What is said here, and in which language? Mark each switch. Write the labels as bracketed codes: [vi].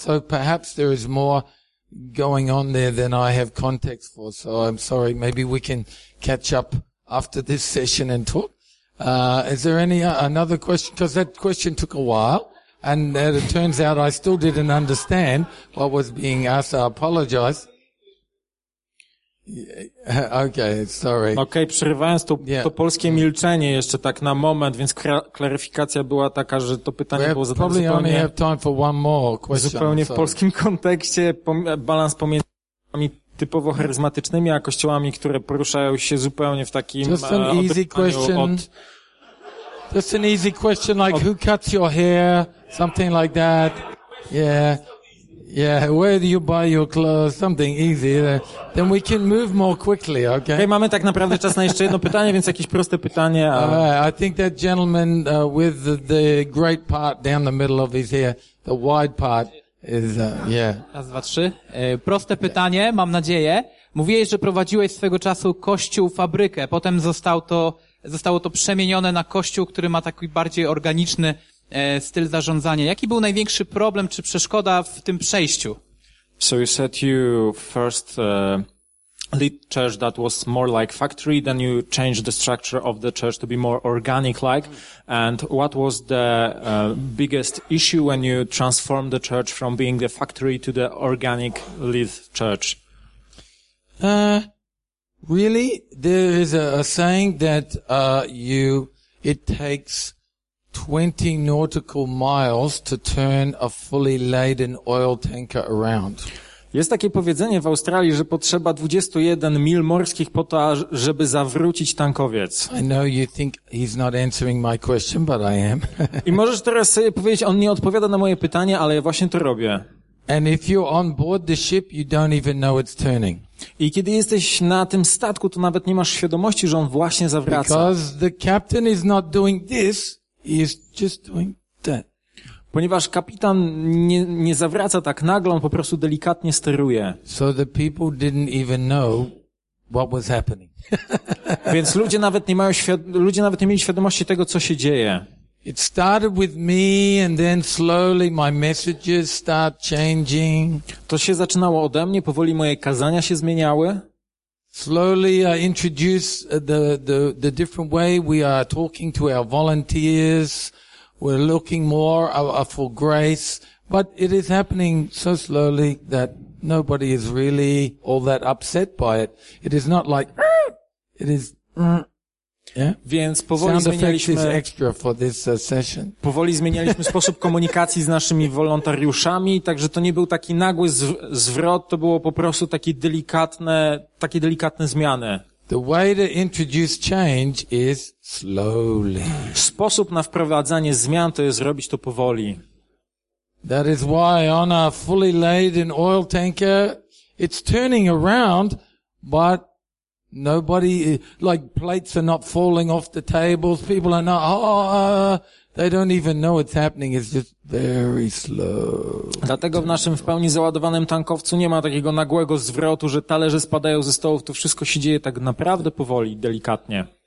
[en] So perhaps there is more going on there than I have context for. So I'm sorry. Maybe we can catch up after this session and talk. Is there any another question? Because that question took a while. And it turns out I still didn't understand what was being asked. I apologize. Okay, sorry. [pl] Okay, przerywając to, yeah. To polskie milczenie jeszcze tak na moment, więc klaryfikacja była taka, że to pytanie [en] we [pl] było zadane zupełnie, [en] only have time for one more question, [pl] zupełnie w polskim kontekście, balans pomiędzy kościołami typowo charyzmatycznymi, a kościołami, które poruszają się zupełnie w takim [en] just an easy question. Just an easy question, like who cuts your hair, something like that. Yeah, yeah. Where do you buy your clothes? Something easy. Then we can move more quickly. Okay. [pl] Okay, mamy tak naprawdę czas na jeszcze jedno pytanie, więc jakieś proste pytanie. [en] I think that gentleman with the great part down the middle of his hair, the wide part, is yeah. [pl] Raz, dwa, trzy. Proste pytanie, mam nadzieję. Mówiłeś, że prowadziłeś swego czasu kościół, fabrykę. Potem zostało to przemienione na kościół, który ma taki bardziej organiczny styl zarządzania. Jaki był największy problem czy przeszkoda w tym przejściu? [en] So you said you first lead church that was more like factory, then you changed the structure of the church to be more organic-like. And what was the biggest issue when you transformed the church from being the factory to the organic lead church? Really, there is a saying that it takes 20 nautical miles to turn a fully laden oil tanker around. [pl] Jest takie powiedzenie w Australii, że potrzeba 21 mil morskich po to, żeby zawrócić tankowiec. [en] I know you think he's not answering my question, but I am. [pl] I możesz teraz sobie powiedzieć, on nie odpowiada na moje pytanie, ale ja właśnie to robię. [en] And if you're on board the ship, you don't even know it's turning. [pl] I kiedy jesteś na tym statku, to nawet nie masz świadomości, że on właśnie zawraca. [en] Because the captain is not doing this, he is just doing that. [pl] Ponieważ kapitan nie zawraca tak nagle, on po prostu delikatnie steruje. [en] So the people didn't even know what was happening. [pl] Więc ludzie nawet nie mieli świadomości tego, co się dzieje. [en] It started with me and then slowly my messages start changing. [pl] To się zaczynało ode mnie, powoli moje kazania się zmieniały. [en] Slowly I introduced the different way we are talking to our volunteers. We're looking more for grace, but it is happening so slowly that nobody is really all that upset by it. It is not like it is yeah? [pl] Więc powoli zmienialiśmy sposób komunikacji z naszymi wolontariuszami, także to nie był taki nagły zwrot, to było po prostu takie delikatne zmiany. [en] The way to introduce change is slowly. [pl] Sposób na wprowadzanie zmian to jest robić to powoli. [en] That is why on a fully laden oil tanker, it's turning around, but nobody, like plates are not falling off the tables, people are not, they don't even know it's happening, it's just very slow. [pl] Dlatego w naszym w pełni załadowanym tankowcu nie ma takiego nagłego zwrotu, że talerze spadają ze stołów, to wszystko się dzieje tak naprawdę powoli, delikatnie.